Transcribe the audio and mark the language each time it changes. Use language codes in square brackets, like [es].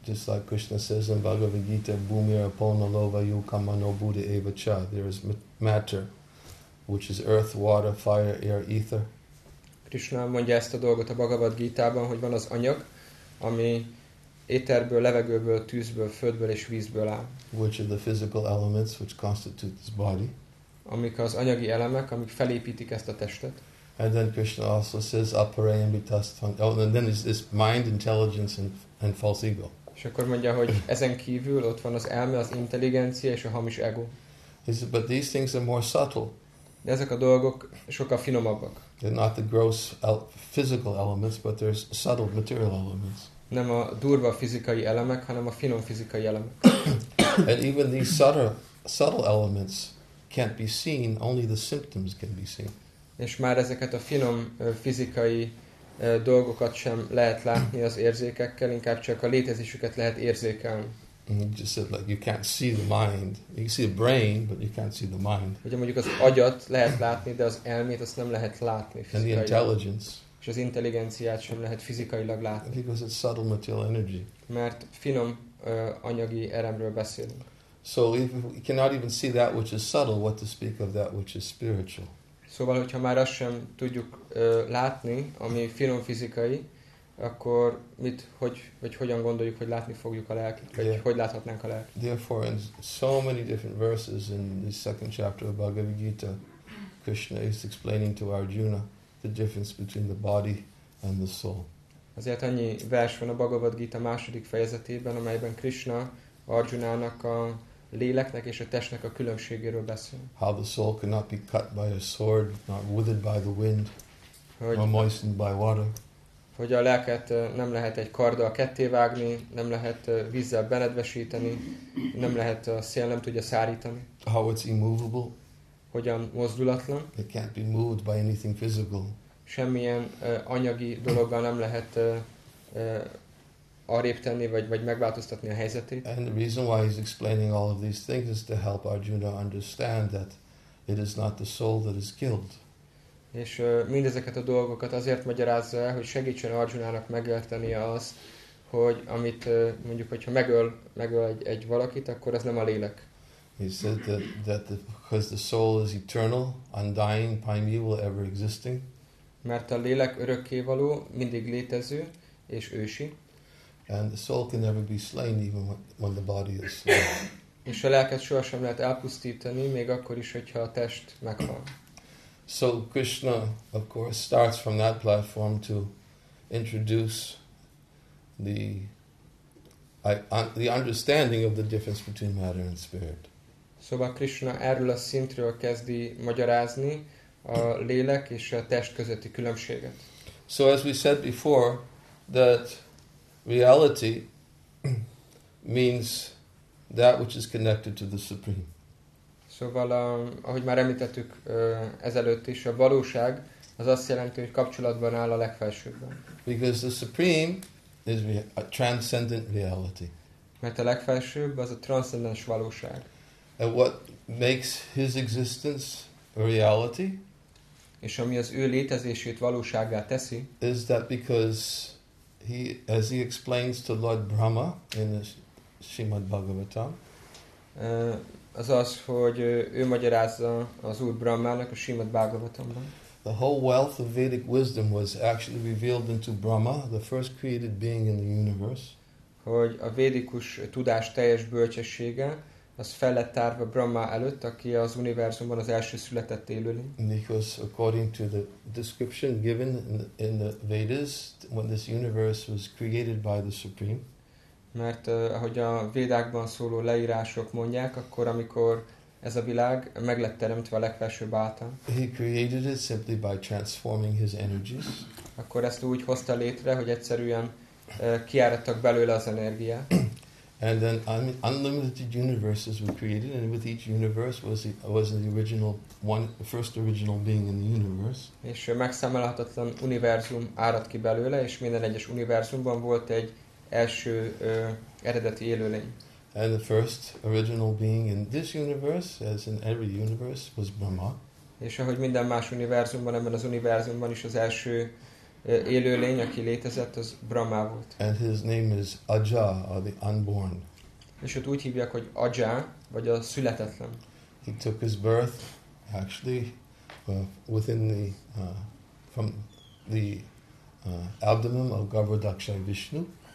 [en] Just like Krishna says in Bhagavad Gita, [sa] Bhumir Apolnalova Yukamano Buddha Eva Cha, [en] there is matter, which is earth, water, fire, air, ether. [hu] Krishna mondja ezt a dolgot a Bhagavad Gita-ban, hogy van az anyag, ami éterből, levegőből, tűzből, földből és vízből áll. [en] Which are the physical elements which constitute this body. [hu] Amik az anyagi elemek, amik felépítik ezt a testet. [en] And then Krishna also says [sa] aparayam vitasthan. [en] Oh, and then is this mind, intelligence and false ego. [hu] És akkor mondja, hogy ezen kívül ott van az elme, az intelligencia és a hamis ego. [en] But these things are more subtle. [hu] De ezek a dolgok sokkal finomabbak. [en] They're not the gross physical elements, but there's subtle material elements. [hu] Nem a durva fizikai elemek, hanem a finom fizikai elemek. [en] And even these subtle elements can't be seen, only the symptoms can be seen. [hu] És már ezeket a finom fizikai dolgokat sem lehet látni az érzékekkel, inkább csak a létezésüket lehet érzékelni. [en] Just said, like you can't see the mind. You can see the brain, but you can't see the mind. [hu] Ugye mondjuk az agyat lehet látni, de az elmét azt nem lehet látni fizikailag. [en] And the intelligence. [hu] És az intelligenciát sem lehet fizikailag látni. [en] Because it's subtle material energy. [hu] Mert finom anyagi eremről beszélünk. [en] So if we cannot even see that which is subtle, what to speak of that which is spiritual. [hu] Szóval, hogyha már azt sem tudjuk látni, ami finom fizikai, akkor mit, hogy, vagy hogyan gondoljuk, hogy látni fogjuk a lelket, vagy hogy láthatnánk a lelket? [en] Therefore, in so many different verses in the second chapter of Bhagavad Gita, Krishna is explaining to Arjuna the difference between the body and the soul. [hu] Azért annyi vers van a Bhagavad Gita második fejezetében, amelyben Krishna Arjunának a léleknek és a testnek a különbségéről beszél. [en] How the soul cannot be cut by a sword, not withered by the wind, nor moistened by water. [hu] Hogy a lelket nem lehet egy karddal kettévágni, nem lehet vízzel benedvesíteni, nem lehet a szél nem tudja szárítani. [en] How it's immovable. [hu] Hogyan mozdulatlan. [en] It can't be moved by anything physical. [hu] Semmilyen anyagi dologgal nem lehet arrébb tenni, vagy megváltoztatni a helyzetét. [en] And the reason why he's explaining all of these things is to help Arjuna understand that it is not the soul that is killed. [hu] És mindezeket a dolgokat azért magyarázza el, hogy segítsen Arjunának megértenie azt, hogy amit mondjuk, hogyha megöl egy valakit, akkor az nem a lélek. [en] He said that because the soul is eternal, undying, primeval, ever existing. [hu] Mert a lélek örökkévaló, mindig létező és ősi. [en] And the soul can never be slain even when the body is slain. [hu] És a lelket sohasem lehet elpusztítani, még akkor is, hogyha a test meghal. [en] So Krishna, of course, starts from that platform to introduce the understanding of the difference between matter and spirit. [hu] Szóval Krishna erről a szintről kezdi magyarázni a lélek és a test közötti különbséget. [en] So as we said before, that reality means that which is connected to the Supreme. [hu] Szóval, ahogy már említettük ezelőtt is, a valóság az azt jelenti, hogy kapcsolatban áll a legfelsőbben. [en] Because the Supreme is a transcendent reality. [hu] Mert a legfelsőbb az a transzcendens valóság. [en] And what makes his existence a reality? [hu] És ami az ő létezését valósággá teszi? [en] Is that because he, as he explains to Lord Brahma in the Srimad Bhagavatam? [hu] Az az, hogy ő magyarázza az Úr Brahmának a Srimad Bhagavatamban. [en] The whole wealth of Vedic wisdom was actually revealed into Brahma, the first created being in the universe. [hu] Hogy a védikus tudás teljes bölcsessége, az fel lett tárva Brahma előtt, aki az univerzumban az első született élőlény. [en] Because according to the description given in the Vedas, when this universe was created by the Supreme. [hu] Mert ahogy a Védákban szóló leírások mondják, akkor amikor ez a világ meg lett teremtve a legfelsőbb által. [en] He created it simply by transforming his energies. [hu] Akkor ezt úgy hozta létre, hogy egyszerűen kiáradtak belőle az energiát. [en] And then unlimited universes were created, and with each universe was the original one, the first original being in the universe. [hu] És megszámolhatatlan univerzum áradt ki belőle, és minden egyes univerzumban volt egy első eredeti élőlény. [en] And the first original being in this universe, as in every universe, was Brahma. [hu] És ahogy minden más univerzumban, ebben az univerzumban is az első élő lény, aki létezett, az Brahma volt. [en] And his name is Aja, or the unborn. [hu] És ott úgy hívják, hogy Aja, vagy a születetlen. [en] He took his birth, actually, within the from the abdomen of Garbhodakshaya Vishnu,